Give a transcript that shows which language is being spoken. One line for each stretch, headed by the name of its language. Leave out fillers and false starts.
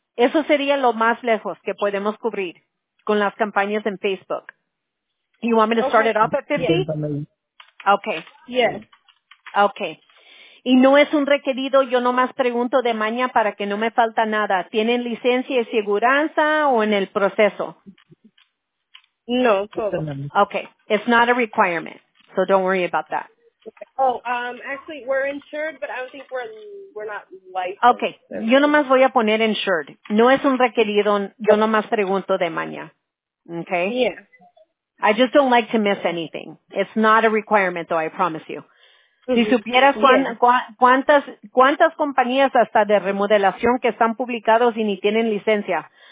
Spanish: Eso sería lo más lejos que podemos cubrir con las campañas en Facebook.
English: You want me to start okay. it off at 50? Yes. Okay. Yes. Okay.
Spanish: Y no es un requerido, yo nomás pregunto de maña para que no me falta nada. ¿Tienen licencia y seguranza o en el proceso? No, todo. Okay.
English: It's not a requirement, so don't worry about that. Okay. Actually, we're insured, but I don't think we're not licensed.
Spanish: Okay. Yo nomás voy a poner insured. No es un requerido, yo nomás pregunto de maña. Okay? Yeah.
English: I just don't like to miss anything. It's not a requirement, though, I promise you.
Spanish: Si supieras cuántas compañías hasta de remodelación que están publicados y ni tienen licencia.